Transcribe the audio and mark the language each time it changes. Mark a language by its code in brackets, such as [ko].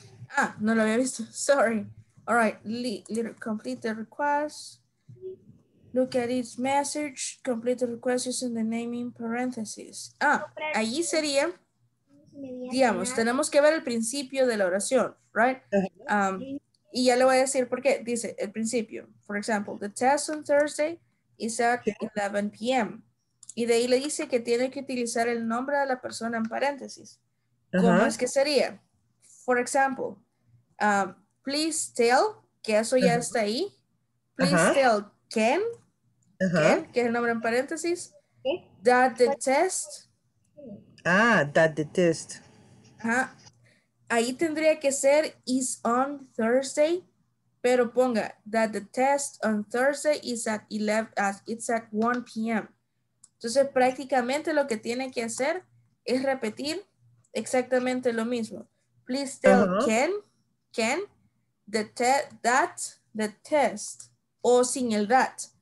[es] Ah, no lo había visto. [en] Sorry. All right, complete the request. Look at this message. Complete the request using the naming parentheses. [es] Ah, allí sería, digamos, tenemos que ver el principio de la oración, right? Y ya le voy a decir por qué. Dice, el principio. [en] For example, the test on Thursday is at 11 p.m. [es] Y de ahí le dice que tiene que utilizar el nombre de la persona en paréntesis. ¿Cómo es que sería? [en] For example, please tell, [es] que eso ya está ahí. [en] Please tell Ken. [es] Ken, que es el nombre en paréntesis. [en] That the test. Ah, that the test. [es] Ahí tendría que ser [en] is on Thursday, [es] pero ponga [en] that the test on Thursday is at 11, it's at 1 p.m. [es] Entonces, prácticamente lo que tiene que hacer es repetir exactamente lo mismo. [en] Please tell Ken, that the test, [es] o sin el [en] that.